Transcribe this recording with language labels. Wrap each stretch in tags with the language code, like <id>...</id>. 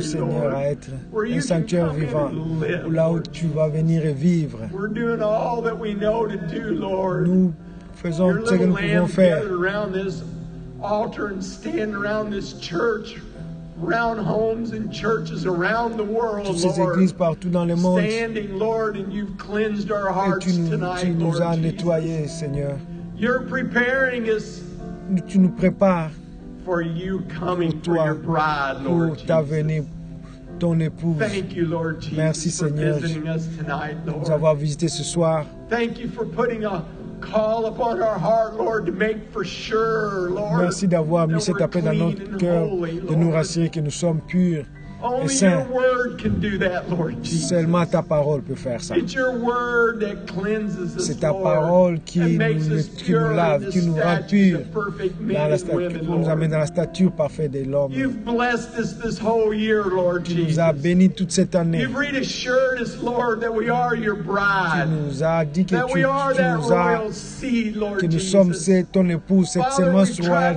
<fr>Prépare-nous, Seigneur, à être un sanctuaire vivant, où là où tu vas venir et vivre.</fr> <en>We're doing all that we know to do, Lord.</en> <fr>Nous faisons ce que nous pouvons faire.</fr> <en>Gather around this altar and stand around this church. Around homes and churches around the world,</en> <fr>toutes ces églises partout dans le monde.</fr> <en>Standing, Lord, and you've cleansed our hearts</en> <fr>et tu nous</fr> <en>Lord</en> <fr>as nettoyé, Seigneur.</fr> <en>You're preparing us.</en> <fr>Tu nous prépares</fr> <en>for you coming</en> <fr>pour toi,</fr> <en>for your bride, Lord</en> <fr>pour ta venue, ton épouse.</fr> <en>Thank you, Lord Jesus.</en> <fr>Merci, Seigneur,</fr> <en>for visiting us tonight, Lord.</en> <fr>De nous avoir visité ce soir.</fr> <en>Thank you for putting a call upon our heart, Lord, to make for sure, Lord.</en> <fr>Merci d'avoir mis cet appel dans notre cœur, de nous rassurer que nous sommes purs et saints.</fr> <en>Only your word can do that, Lord Jesus.</en> <fr>Seulement ta parole peut faire ça.</fr> <en>It's your word that cleanses us.</en> <fr>C'est ta parole qui nous lave, qui nous rend purs, qui nous amène dans la stature parfaite de l'homme.</fr> <en>You've blessed us this whole year, Lord Jesus.</en> <fr>Tu nous as béni toute cette année.</fr> <en>You've reassured us, Lord, that we are your bride.</en> <fr>Tu nous as dit que tu nous as que nous sommes c'est ton épouse, cette semence royale</fr>